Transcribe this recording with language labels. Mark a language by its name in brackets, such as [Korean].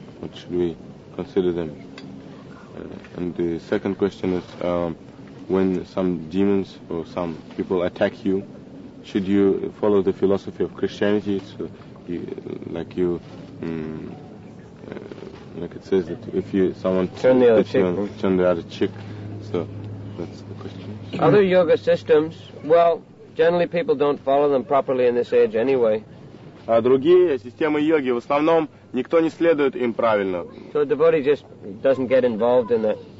[English] What should we consider them? And the second question is, when some demons or some people attack you, should you follow the philosophy of Christianity? So you, like you, like it says that if you someone turn the other cheek. So that's the question. Other yoga systems, well, generally people don't follow them properly in this age anyway. [Russian] Другие системы йоги, в основном, никто не следует им правильно. [English] So the body just doesn't get involved in that.